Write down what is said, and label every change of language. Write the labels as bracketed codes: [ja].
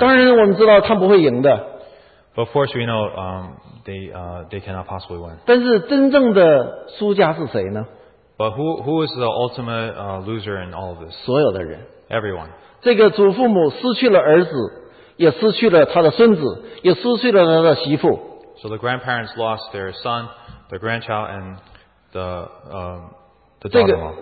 [zh] 当然，我们知道他不会赢的。 [en] But of course, we know they cannot possibly win. [zh] 但是真正的输家是谁呢 [en] ？But who is the ultimate loser in all of this? [zh] 所有的人 [en] ，everyone. [zh] 这个祖父母失去了儿子，也失去了他的孙子，也失去了他的媳妇。 [en] So the grandparents lost their son, the grandchild, and the daughter-in-law.